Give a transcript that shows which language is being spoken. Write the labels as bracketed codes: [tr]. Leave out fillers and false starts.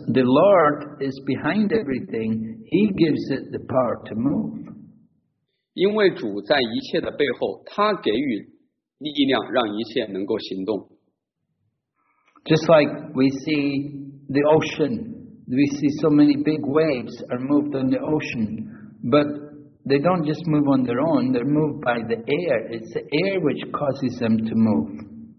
[en] the Lord is behind everything, He gives it the power to move. [zh] 因为主在一切的背后，他给予力量让一切能够行动。 [en] Just like we see the ocean, we see so many big waves are moved on the ocean, but they don't just move on their own, they're moved by the air. It's the air which causes them to move.